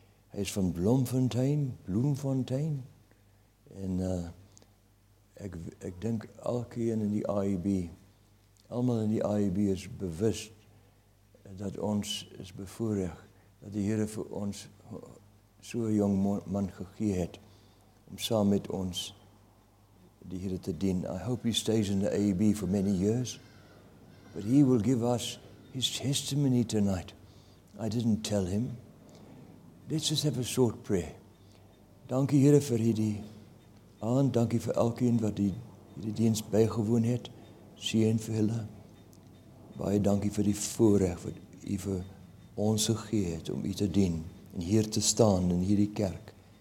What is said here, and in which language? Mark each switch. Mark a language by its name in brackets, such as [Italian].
[Afrikaans] Hy is van Bloemfontein, en ek denk elkeen in die REB, allemaal in die REB is bewus dat ons is bevoorreg, dat die Here vir ons so'n jong man gegee het, om saam met ons die Here te dien. [English] I hope he stays in the AEB for many years, but he will give us his testimony tonight. I didn't tell him. Let's just have a short prayer. [Afrikaans] Dankie Here vir hierdie aand, dankie vir elkeen wat die diens bygewoon het, sien vir hulle. Baie dankie vir die voorreg wat u vir ons gegee het om u te dien en hier te staan in hierdie kerk.